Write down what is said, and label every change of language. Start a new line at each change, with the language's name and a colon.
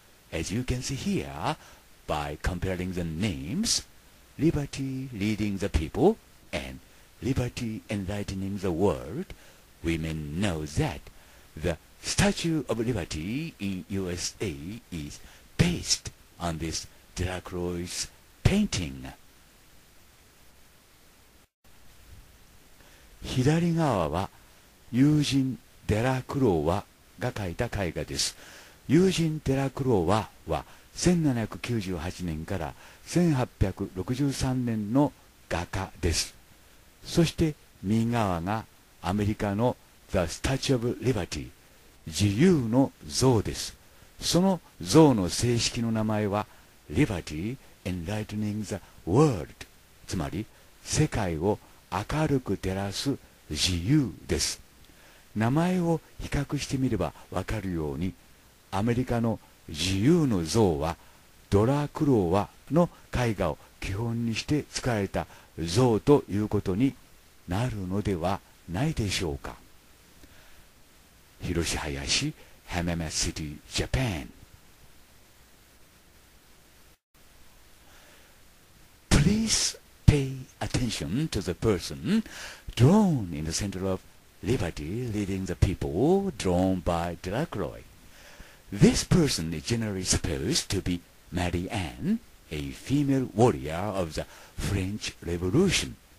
English: As you can see here, by comparing the names, Liberty Leading the People and Liberty Enlightening the World, we may know that the Statue of Liberty in USA is based on this Delacroix painting.
Japanese: 左側は、ユージン・デラクロワが描いた絵画です。ユージン・デラクロワは1798年から1863年の画家です。そして右側がアメリカの The Statue of Liberty、 自由の像です。その像の正式の名前は Liberty Enlightening the World、 つまり世界を明るく照らす自由です。名前を比較してみればわかるように、アメリカの自由の像はドラクロワの絵画を基本にして作られた像ということになるのではないでしょうか。広志林、浜松シティ、ジャパン。
English: Please pay attention to the person drawn in the center ofLiberty Leading the People, drawn by Delacroix. This person is generally supposed to be Marie Anne, a female warrior of the French Revolution.